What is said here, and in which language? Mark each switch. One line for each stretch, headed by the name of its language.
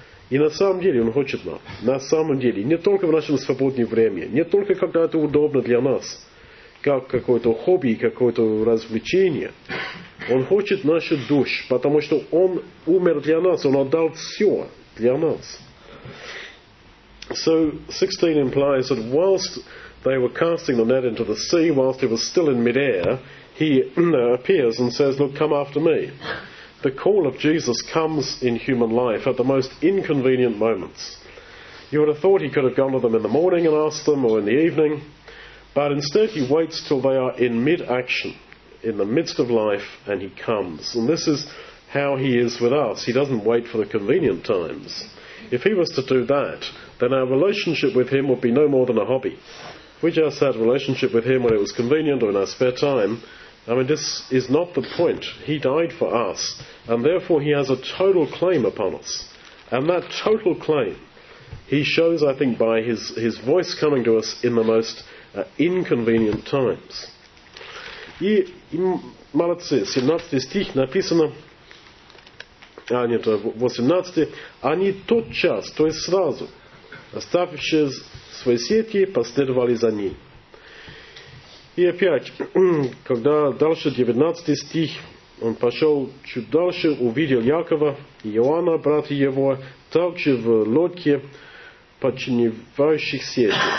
Russian: И на самом деле Он хочет нам. На самом деле. Не только в нашем свободном времени. Не только когда это удобно для нас. Как какое-то хобби, какое-то развлечение. Он хочет нашу душу, потому что Он умер для нас, Он отдал все для нас.
English: So, 16 implies that whilst they were casting the net into the sea, whilst it was still in midair, he appears and says, "Look, come after me." The call of Jesus comes in human life at the most inconvenient moments. You would have thought he could have gone to them in the morning and asked them, or in the evening. But instead he waits till they are in mid-action, in the midst of life, and he comes. And this is how he is with us. He doesn't wait for the convenient times. If he was to do that, then our relationship with him would be no more than a hobby. We just had a relationship with him when it was convenient or in our spare time. I mean, this is not the point. He died for us, and therefore he has a total claim upon us. And that total claim he shows, I think, by his voice coming to us in the most inconvenient times.
Russian: И молодцы, 17 стих написано, а нет, 18, они тотчас, то есть сразу, оставивши свои сети, последовали за ним. И опять, когда дальше 19 стих, он пошел чуть дальше, увидел Якова и Иоанна, брата его, также в лодке, подчинивающих сети.